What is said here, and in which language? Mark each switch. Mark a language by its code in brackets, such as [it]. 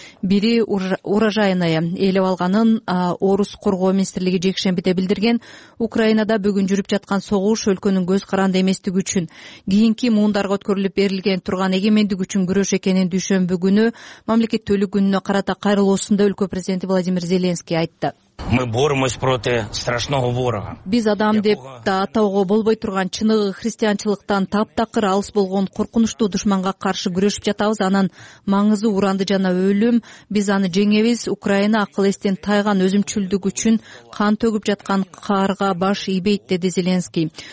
[ky] бири урожайная ээлеп алганын Орус коргоо министрлиги жекшембиде билдирген. Украинада бүгүн жүрүп жаткан согуш өлкөнүн көз каранды эместиги үчүн, кийинки муундарга өткөрүлүп берилген турган эгемендик үчүн күрөш экенин дүйшөмбү күнү мамлекет төлүк күнүнө карата кайрылуусунда өлкө президенти Владимир Зеленский айтты. [ru] Мы боремся против страшного ворога. [ky] Биз адам деп да атоого болбой турган чыныгы християнчылыктан таптакыр алыс болгон коркунучтуу душманга каршы күрөшүп жатабыз. Анан маңызы уранды жана өлүм. Биз аны жеңебиз. Украина акыл эстен тайган өзүмчүлдүк үчүн кан төгүп жаткан карга баш ийбейт, деди Зеленский.